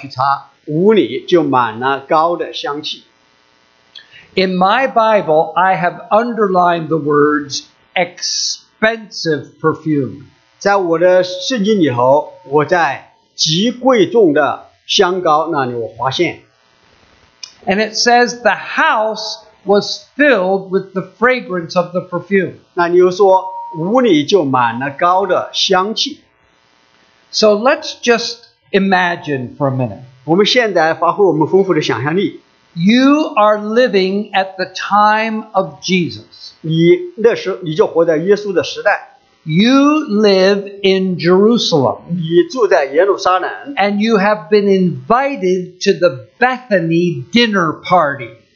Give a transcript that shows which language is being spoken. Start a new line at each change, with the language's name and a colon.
Chinese: 玛利亚就拿着一斤极贵的真拿达香膏抹耶稣的脚，又用自己的头发去擦，屋里就满了膏的香气。
English: In my Bible, I have underlined the words expensive perfume.
Chinese: 在我的圣经里头,我在极贵重的香膏那里我发现。
English: And it says the house was filled with the fragrance of the perfume.
Chinese: 那你又说,屋里就满了膏的香气。
English: So let's just imagine for a minute.
Chinese: 我们现在发挥我们丰富的想象力。
English: You are living at the time of Jesus.
Chinese: 你那时,你就活在耶稣的时代。
English: You live in Jerusalem.
Chinese: 你住在耶路撒冷,
English: and you have been invited to the Bethany dinner party.